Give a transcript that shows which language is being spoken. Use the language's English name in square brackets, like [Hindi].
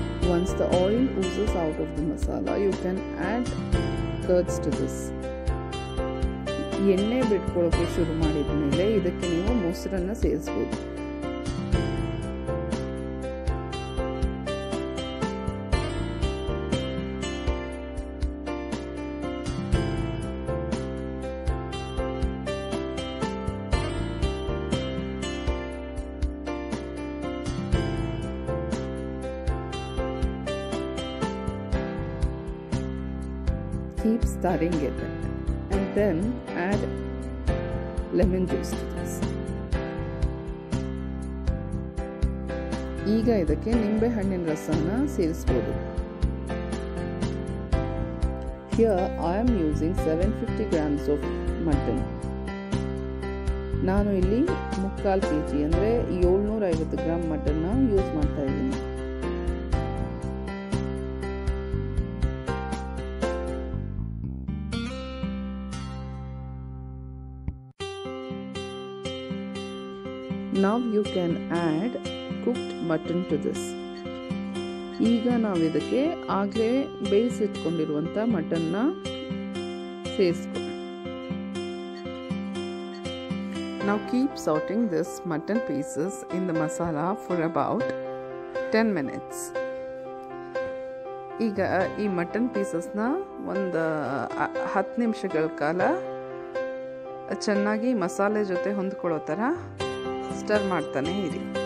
[English] Once the oil oozes out of the masala, you can add curds to this. [Kannada] ಎಣ್ಣೆ ಬಿಟ್ಕೊಳ್ಳೋಕೆ ಶುರು ಮಾಡಿದ ಮೇಲೆ ಇದಕ್ಕೆ ನೀವು ಮೊಸರನ್ನು ಸೇರಿಸ್ಬೋದು. [English] Keep stirring it and then add lemon juice to this. [Kannada] ಈಗ ಇದಕ್ಕೆ ನಿಂಬೆ ಹಣ್ಣಿನ ರಸವನ್ನು ಸೇರಿಸ್ಬೋದು. [English] Here I am using 750 grams of mutton. [Kannada] ನಾನು ಇಲ್ಲಿ 3/4 kg ಅಂದರೆ 750 ಗ್ರಾಮ್ ಮಟನ್ನ ಯೂಸ್ ಮಾಡ್ತಾ ಇದ್ದೀನಿ. [English] Now you can add cooked mutton to this. [Kannada] ಈಗ ನಾವು ಇದಕ್ಕೆ ಆಗಲೇ ಬೇಯಿಸಿಟ್ಕೊಂಡಿರುವಂಥ mutton ಸೇರಿಸ್ಕೊ. [English] Now keep sauteing this mutton pieces in the masala for about 10 minutes. [Kannada] ಈಗ ಈ ಮಟನ್ ಪೀಸಸ್ನ ಒಂದು 10 ನಿಮಿಷಗಳ ಕಾಲ ಚೆನ್ನಾಗಿ ಮಸಾಲೆ ಜೊತೆ ಹೊಂದ್ಕೊಳ್ಳೋ ಥರ ಸ್ಟರ್ ಮಾಡ್ತಾನೆ ಇರಿ.